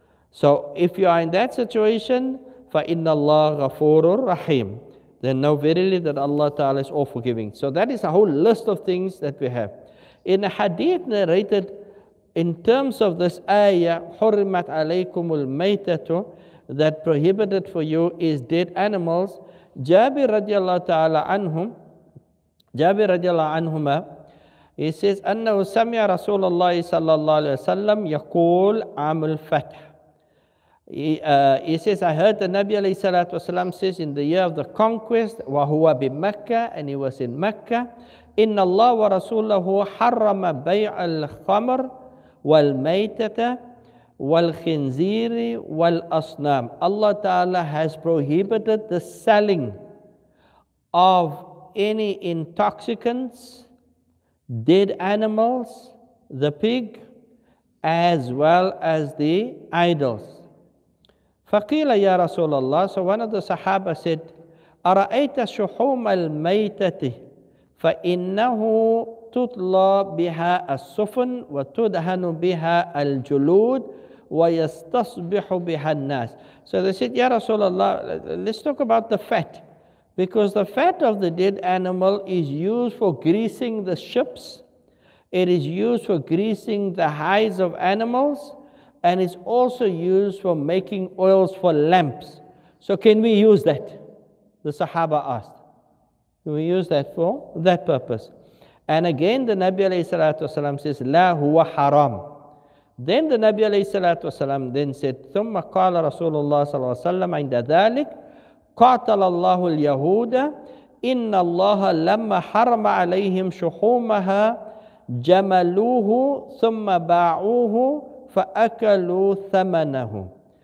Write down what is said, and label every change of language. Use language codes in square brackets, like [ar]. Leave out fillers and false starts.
[en] So if you are in that situation, [ar] فَإِنَّ اللَّهَ غَفُورٌ رَحِيمٌ, [en] then know verily that Allah Ta'ala is all forgiving. So that is a whole list of things that we have. In a hadith narrated in terms of this ayah, [ar] حُرِّمَتْ عَلَيْكُمُ الْمَيْتَةُ, [en] that prohibited for you is dead animals. [ar] Jabir radiallahu ta'ala anhum, Jabir radiallahu anhuma, [en] he says, [ar] أَنَّهُ سَمِعَ رَسُولَ اللَّهِ صَلَّى اللَّهُ عَلَيْهِ وَسَلَّمْ يَقُولْ عَمُ الْفَتْحِ. [en] He says, I heard the Nabi alayhi salatu wasalam says, in the year of the conquest, [ar] وَهُوَ بِمَكَّةِ, [en] and he was in Mecca, [ar] إِنَّ اللَّهُ وَرَسُولَهُ حَرَّمَ بَيْعَ الْخَمْرِ وَالْمَيْتَةَ وَالْخِنْزِيرِ وَالْأَصْنَامِ. [en] Allah Ta'ala has prohibited the selling of any intoxicants, dead animals, the pig, as well as the idols. [ar] فَقِيلَ يَا رَسُولَ اللَّهِ, [en] so one of the Sahaba said, [ar] أَرَأَيْتَ شُحُومَ الْمَيْتَةِ فَإِنَّهُ تُطْلَى بِهَا السُّفُنُ وَتُدْهَنُ بِهَا الْجُلُودُ وَيَسْتَصْبِحُ بِهَا النَّاسُ. [en] So they said, [ar] يَا رَسُولَ اللَّهِ, [en] let's talk about the fat, because the fat of the dead animal is used for greasing the ships, it is used for greasing the hides of animals, and it's also used for making oils for lamps. So can we use that? The Sahaba asked. Can we use that for that purpose? And again, the Nabi alayhi salatu wasalam says, [ar] لا هو حرام. [en] Then the Nabi alayhi salatu wasalam then said, [ar] ثم قال رسول الله صلى الله عليه وسلم عند ذلك قاتل الله اليهود إن الله لما حرم عليهم شحومها جملوه ثم باعوه فَأَكَلُوا ثَمَنَهُ.